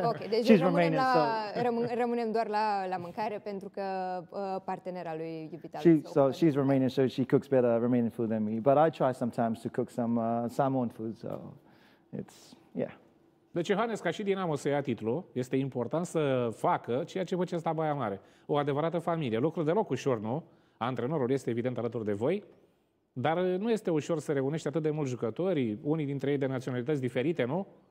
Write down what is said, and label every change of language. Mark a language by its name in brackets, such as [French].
[Romanian] Deci [English] she's Romanian, [Romanian] rămânem doar la mâncare pentru că partenera lui iubita. [English] She's Romanian, so she cooks better Romanian food than me, but I try sometimes to cook some Samoan food, so it's, yeah. [Romanian] Deci Iohannes, ca și Dinamo să ia titlul, este important să facă ceea ce face asta Baia Mare. O adevărată familie. Lucru deloc ușor, nu? Antrenorul este evident alături de voi, dar nu este ușor să reunești atât de mulți jucători, unii dintre ei de naționalități diferite, nu?